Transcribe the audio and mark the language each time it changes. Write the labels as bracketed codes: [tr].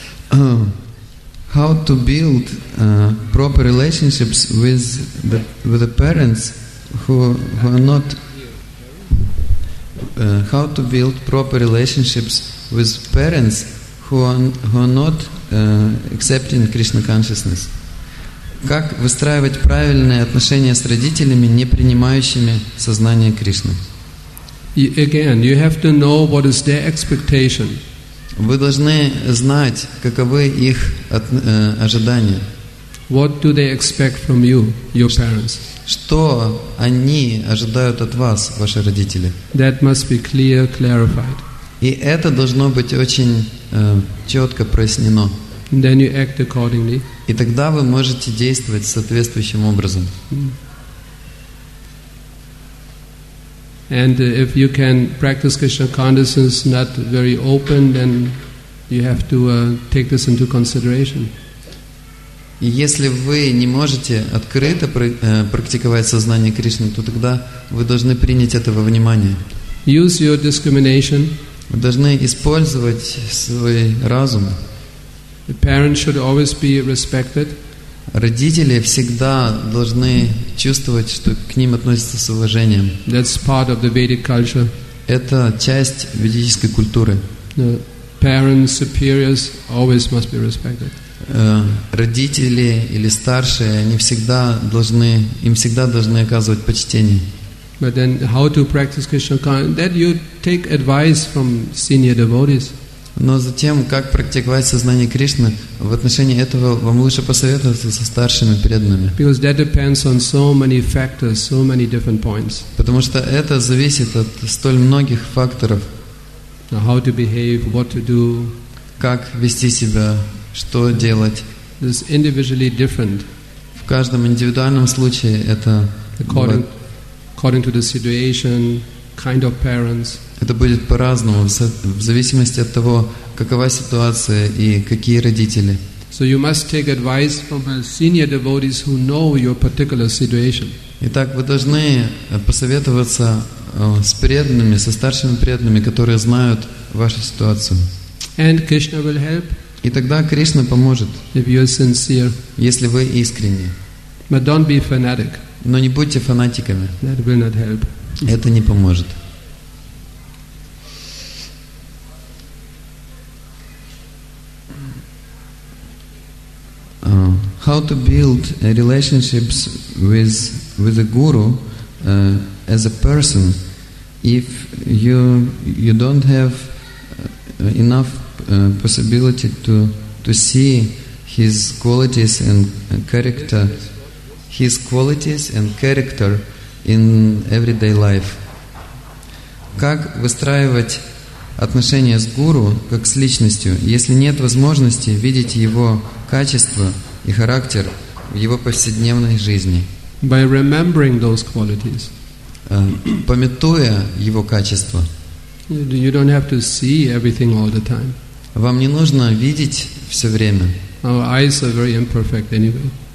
[en] how to build proper relationships with the parents who are not... how to build proper relationships with parents who are not accepting Krishna consciousness. [ru] Как выстраивать правильные отношения с родителями, не принимающими сознание Кришны? [en] Again, you have to know what is their expectation. [ru] Вы должны знать, каковы их ожидания. [en] What do they expect from you, your parents? [ru] Что они ожидают от вас, ваши родители? [en] That must be clear, clarified. [ru] И это должно быть очень четко прояснено. [en] Then you act accordingly. [ru] И тогда вы можете действовать соответствующим образом. [en] And if you can practice Krishna consciousness not very open, then you have to take this into consideration. [ru] И если вы не можете открыто практиковать сознание Кришны, то тогда вы должны принять это во внимание. [en] Use your discrimination. [ru] Вы должны использовать свой разум. [en] The parents should always be respected. [ru] Родители всегда должны чувствовать, что к ним относятся с уважением. [en] That's part of the Vedic culture. [ru] Это часть ведической культуры. [en] The parents, superiors always must be respected. [ru] Родители или старшие, они всегда должны, им всегда должны оказывать почтение. [en] But then how to practice Krishna consciousness? That you take advice from senior devotees. [ru] Но затем, как практиковать сознание Кришны, в отношении этого вам лучше посоветоваться со старшими преданными. [en] Because that depends on so many factors, so many different points. [ru] Потому что это зависит от столь многих факторов. [en] How to behave, what to do. [ru] Как вести себя, что делать. [en] This is individually different. [ru] В каждом индивидуальном случае это [en] according to the situation, kind of parents. [ru] Это будет по-разному, в зависимости от того, какова ситуация и какие родители. [en] So you must take advice from senior devotees who know your particular situation. [ru] Итак, вы должны посоветоваться с преданными, со старшими преданными, которые знают вашу ситуацию. [en] And Krishna will help. [ru] И тогда Кришна поможет, [en] if you are sincere. [ru] Если вы искренни. [en] But don't be fanatic. [ru] Но не будьте фанатиками. [en] That will not help. [ru] Это не поможет. [en] How to build relationships with a guru as a person if you don't have enough possibility to see his qualities and character, his qualities and character in everyday life. [ru] Как выстраивать отношения с гуру как с личностью, если нет возможности видеть его качества и характер в его повседневной жизни? [en] By remembering those qualities. [ru] Памятуя его качества. [en] You don't have to see everything all the time. [ru] Вам не нужно видеть все время. [en] Our eyes are very imperfect anyway.